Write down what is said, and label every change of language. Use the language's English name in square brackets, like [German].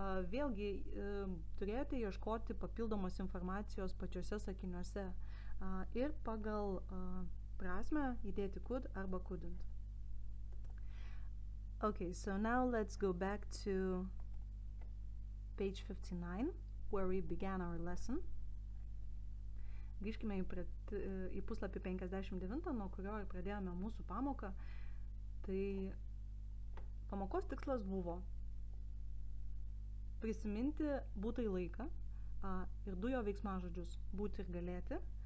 [Lithuanian] Vėlgi, turėjote ieškoti papildomos informacijos pačiuose sakiniuose ir pagal prasme įdėti could arba couldn't. [English] Ok, so now let's go back to page 59, where we began our lesson. [Lithuanian] Grįžkime į puslapį 59, nuo kurio ir pradėjome mūsų pamoką. Tai pamokos tikslas buvo prisiminti būtai laiką ir du jo veiksmažodžius būti ir galėti.